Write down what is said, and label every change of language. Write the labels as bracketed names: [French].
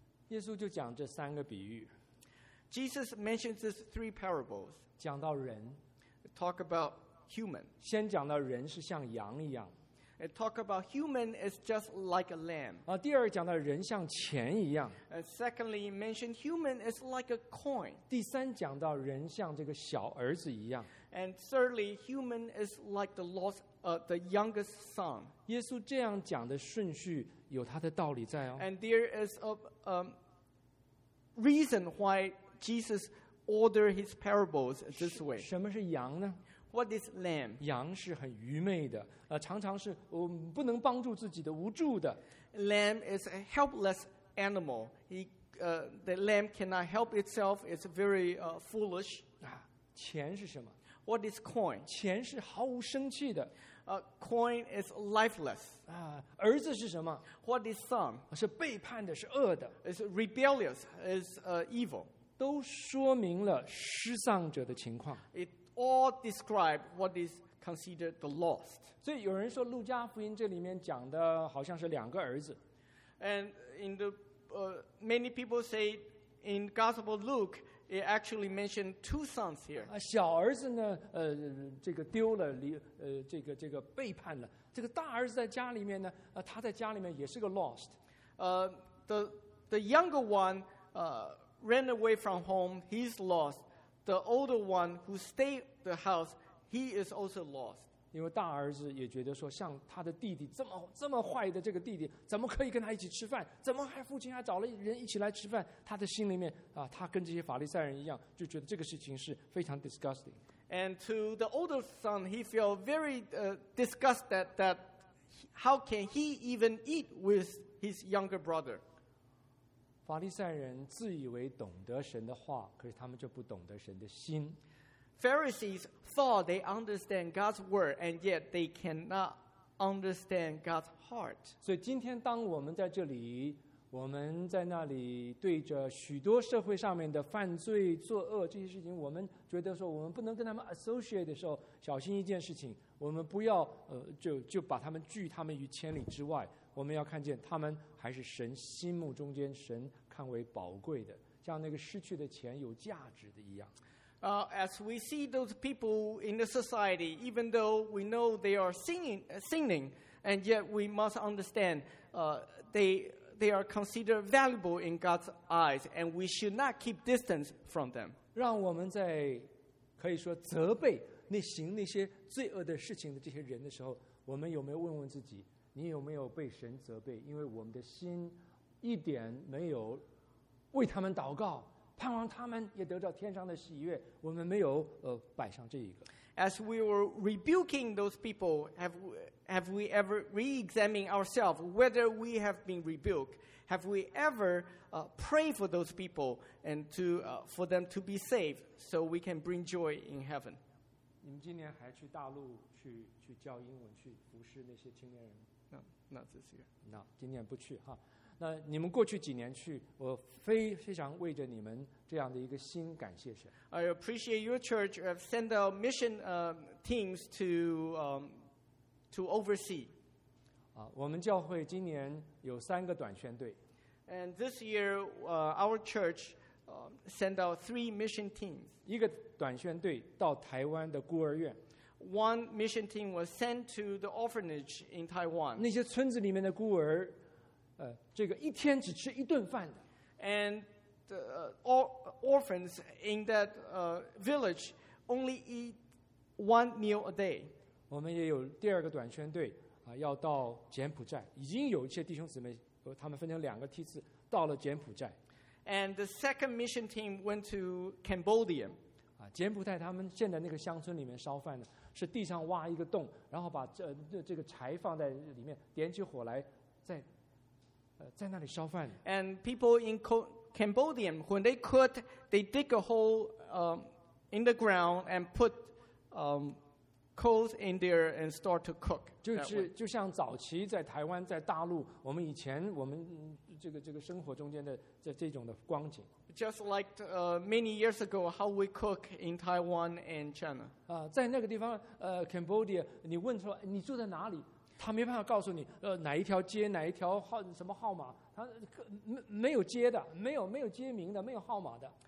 [Chinese] 耶稣就讲这三个比喻。 [English] Jesus mentions these three parables. [Chinese] 讲到人。 [English] Talk about human. [Chinese] 先讲到人是像羊一样。 [English] And talk about human is just like a lamb. [Chinese] 第二讲到人像钱一样。 [English] Secondly, mention human is like a coin. [Chinese] 第三讲到人像这个小儿子一样。 [English] And thirdly, human is like the lost, the youngest son. [Chinese] 耶稣这样讲的顺序有他的道理在哦。 [English] And there is a reason why Jesus ordered his parables this way. [Chinese] 什么是羊呢？ [English] What is lamb? [Chinese] 羊是很愚昧的，常常是不能帮助自己的，无助的。 [English] Lamb is a helpless animal. The lamb cannot help itself. It's very foolish. [Chinese] 钱是什么？ [English] What is coin? [Chinese] 钱是毫无生气的。 [English] Coin is lifeless. [Chinese] 儿子是什么？ [English] What is son? [Chinese] 是背叛的，是恶的。 [English] It's rebellious. It's evil. [Chinese] 都说明了失丧者的情况。 [English] All describe what is considered the lost. [Chinese] 所以有人说路加福音这里面讲的好像是两个儿子。 [English] And in the many people say in Gospel Luke, it actually mentioned two sons here. [Chinese] 小儿子呢，这个丢了，这个背叛了。这个大儿子在家里面呢，他在家里面也是个 lost. [English] The younger one ran away from home. He's lost. The older one who stayed the house, he is also lost. [Chinese] 因为大儿子也觉得说，像他的弟弟这么坏的这个弟弟，怎么可以跟他一起吃饭？怎么还父亲还找了人一起来吃饭？他的心里面啊，他跟这些法利赛人一样，就觉得这个事情是非常 disgusting. [English] And to the older son, he felt very disgusted that how can he even eat with his younger brother? [Chinese] 法利赛人自以为懂得神的话，可是他们就不懂得神的心。 [English] Pharisees thought they understand God's word, and yet they cannot understand God's heart. [Chinese] 所以今天当我们在这里，我们在那里对着许多社会上面的犯罪作恶这些事情，我们觉得说我们不能跟他们 associate 的时候，小心一件事情，我们不要就把他们拒他们于千里之外。我们要看见他们还是神心目中间神看为宝贵的，像那个失去的钱有价值的一样。 [English] As we see those people in the society, even though we know they are sinning, and yet we must understand, they are considered valuable in God's eyes, and we should not keep distance from them. [Chinese] 让我们在可以说责备那行那些罪恶的事情的这些人的时候，我们有没有问问自己？你有没有被神责备？因为我们的心一点没有为他们祷告，盼望他们也得到天上的喜悦，我们没有摆上这一个。 [English] As we were rebuking those people, have we ever re-examined ourselves whether we have been rebuked? Have we ever prayed for those people and for them to be saved so we can bring joy in heaven? [Chinese] 你们今年还去大陆去教英文去服侍那些青年人？ [English] No, not this year. [Chinese] No, 今年不去哈。那你们过去几年去，我非常为着你们这样的一个心感谢神。 [English] I appreciate your church have sent out mission teams to oversee. [Chinese] 我们教会今年有三个短宣队。 [English] And this year, our church sent out three mission teams. [Chinese] 一个短宣队到台湾的孤儿院。 [English] One mission team was sent to the orphanage in Taiwan. [Chinese] 那些村子里面的孤儿。这个一天只吃一顿饭的 [English] and the orphans in that village only eat one meal a day. [Chinese] 我们也有第二个短宣队要到柬埔寨，已经有一些弟兄姊妹他们分成两个梯次到了柬埔寨。 [English] And the second mission team went to Cambodia. [Chinese] 柬埔寨他们现在那个乡村里面烧饭呢，是地上挖一个洞，然后把这个柴放在里面，点起火来再。在那里烧饭。 [English] And people in Cambodia, when they could, they dig a hole in the ground and put coals in there and start to cook. [Chinese] 就像早期在台湾、在大陆，我们以前我们这个生活中间的这种的光景。 [English] Just like many years ago, how we cook in Taiwan and China. [Chinese] 在那个地方，Cambodia, 你问说你住在哪里？他没办法告诉你，哪一条街哪一条号什么号码，他没有街的，没有街名的，没有号码的。